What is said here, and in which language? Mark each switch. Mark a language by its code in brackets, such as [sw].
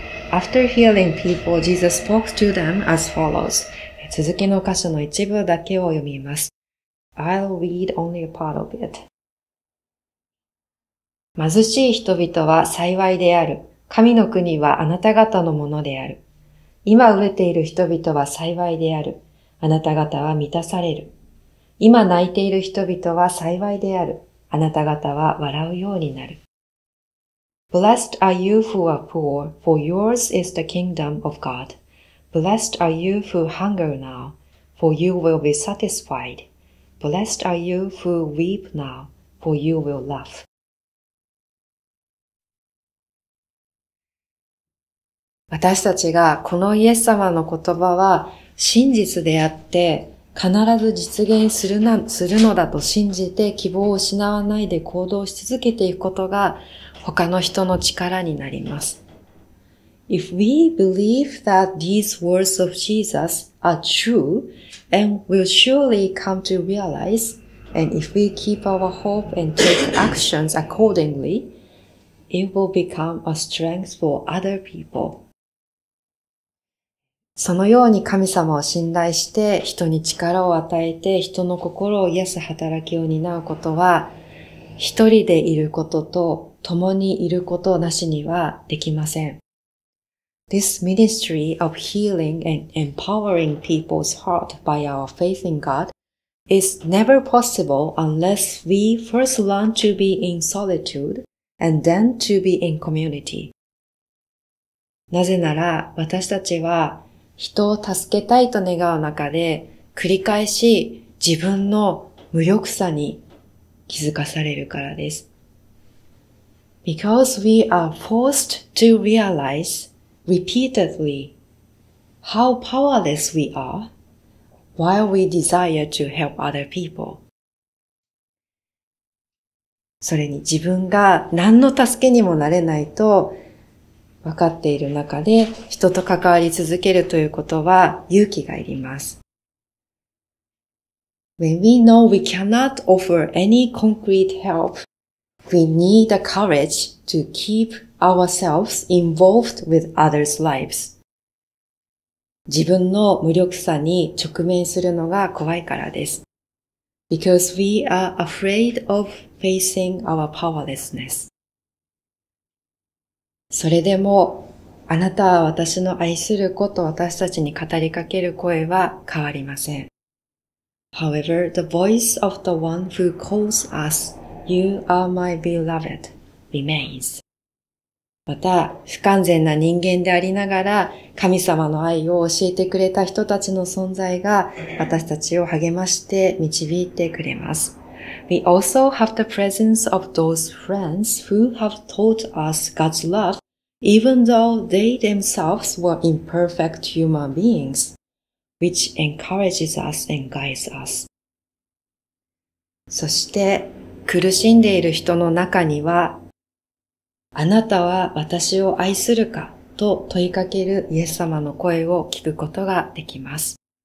[en] After healing people, Jesus spoke to them as follows. [ja] 続きの箇所の一部だけを読みます。 [en] I'll read only a part of it. [ja] 貧しい人々は幸いである。神の国はあなた方のものである。今飢えている人々は幸いである。あなた方は満たされる。今泣いている人々は幸いである。あなた方は笑うようになる。 [en] Blessed are you who are poor, for yours is the kingdom of God. Blessed are you who hunger now, for you will be satisfied. Blessed are you who weep now, for you will laugh. [ja] 私たちがこのイエス様の言葉は真実であって、必ず実現するな、するのだと信じて希望を失わないで行動し続けていくことが他の人の力になります。 [en] If we believe that these words of Jesus are true and will surely come to realize, and if we keep our hope and take actions accordingly, it will become a strength for other people. [ja] そのように神様を信頼して、人に力を与えて、人の心を癒す働きを担うことは、一人でいることと共にいることなしにはできません。 [en] This ministry of healing and empowering people's heart by our faith in God is never possible unless we first learn to be in solitude and then to be in community. [ja] なぜなら、私たちは、人を助けたいと願う中で、繰り返し自分の無力さに気づかされるからです。 [en] Because we are forced to realize repeatedly how powerless we are while we desire to help other people. [ja] それに自分が何の助けにもなれないと、分かっている中で人と関わり続けるということは勇気がいります。 [en] When we know we cannot offer any concrete help, we need the courage to keep ourselves involved with others' lives. [ja] 自分の無力さに直面するのが怖いからです。 [en] Because we are afraid of facing our powerlessness. [ja] それでも、あなたは私の愛する子と私たちに語りかける声は変わりません。 [en] However, the voice of the one who calls us, You are my beloved, remains. [ja] また、不完全な人間でありながら、神様の愛を教えてくれた人たちの存在が、私たちを励まして導いてくれます。 [en] We also have the presence of those friends who have taught us God's love, even though they themselves were imperfect human beings, which encourages us and guides us. [ja] そして、苦しんでいる人の中には、あなたは私を愛するかと問いかけるイエス様の声を聞くことができます。